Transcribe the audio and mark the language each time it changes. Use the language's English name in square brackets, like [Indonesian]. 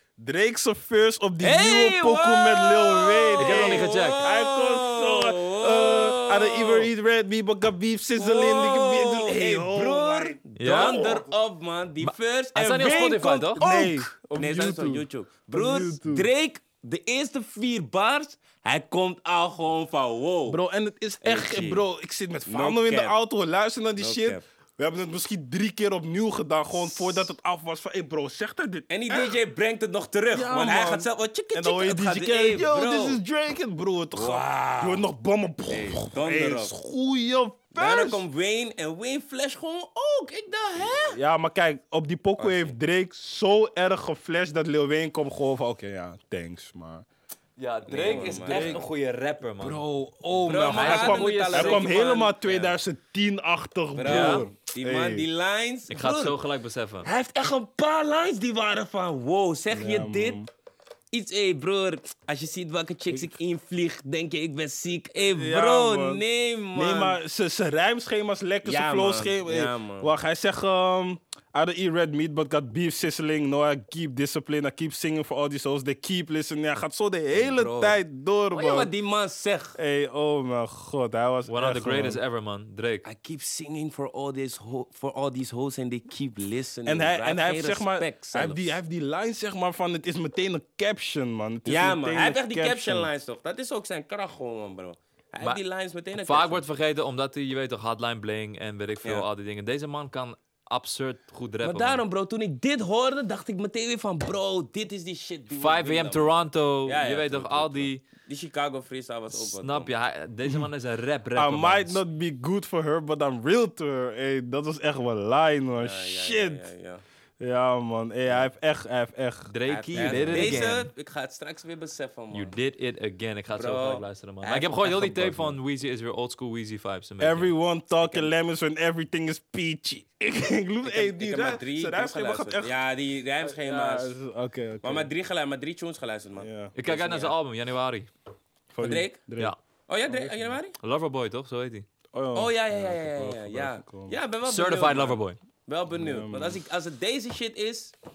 [Dutch] Drake's first op die nieuwe pokoe met Lil Wayne. Ik heb nog niet gecheckt. Hij komt zo... [English] I don't even eat red meat, but got beef sizzling. [Dutch] Hey, broer. Donder op, man. Die first. Hij staat niet op Spotify, toch? Nee. Op nee, dat is op YouTube. Broer, Drake, de eerste vier bars, hij komt al gewoon van wow. Bro, en het is echt, bro, ik zit met Fano in de auto, luister naar die shit. We hebben het misschien drie keer opnieuw gedaan, gewoon voordat het af was. Van, hey bro, zegt hij dit? En die DJ brengt het nog terug. Ja, man. Hij gaat zelf wat chicken. En dan hoor je DJ Kelly, [English] yo, this is Drake, bro. [Dutch] Wow. Je hoort nog bommen. Goeie vers. Daar komt Wayne en Wayne flash gewoon ook. Ik dacht, hè? Ja, maar kijk, op die pokoe heeft Drake zo erg geflashed dat Lil Wayne komt gewoon van, oké, ja, thanks, maar... Ja, Drake is echt een goede rapper, man. Bro, man. Hij kwam helemaal 2010-achtig, broer. Die man, die lines... Ik ga het zo gelijk beseffen. Hij heeft echt een paar lines die waren van... Wow, zeg je dit? Iets, hé, broer. Als je ziet welke chicks ik invlieg, denk je ik ben ziek. Hé, bro, nee, man. Nee, maar zijn rijmschema's lekker, zijn flowschema's. Ja, man. Wacht, hij zegt... [English] I don't eat red meat, but got beef sizzling. No, I keep discipline. I keep singing for all these hoes. They keep listening. [Dutch] Hij gaat zo de hele tijd door, man. Wat die man zegt. Hey, oh mijn god. Hij was [English] one of the greatest ever, man. Drake. I keep singing for all these hoes and they keep listening. [Dutch] En hij heeft, zeg maar, hij heeft die line, zeg maar, van het is meteen een caption, man. Het is hij heeft echt die caption lines, toch? Dat is ook zijn kracht gewoon, man, bro. Die lines meteen een caption. Vaak wordt vergeten, omdat hij, je weet toch, Hotline Bling en weet ik veel, al die dingen. Deze man kan... absurd goed rappen. Maar daarom, bro, toen ik dit hoorde, dacht ik meteen weer van, bro, dit is die shit. 5 a.m. Toronto, je weet toch, al die... Die Chicago freestyle was ook wat. Snap je, deze man is een rapper. [English] I might not be good for her, but I'm real to her. [Dutch] Hey, dat was echt wel line, man. Shit. Ja, man. Hey, hij heeft echt. [English] Drake, you did it again. [Dutch] Ik ga het straks weer beseffen, man. [English] You did it again. [Dutch] Ik ga het zo graag luisteren, man. Maar ik heb gewoon heel die tape van Weezy is weer old school Weezy vibes. [English] Everyone talking lemons when everything is peachy. [Dutch] Ik loop even die rijmschema. Ja, die rijmschema's. Oké. Maar met drie tunes geluisterd, man. Ik kijk uit naar zijn album, Januari. Van Drake? Ja. Oh ja, Januari? Loverboy, toch? Zo heet hij. Oh ja. Ja, ben wel Certified Loverboy. Wel benieuwd, want als het deze shit is...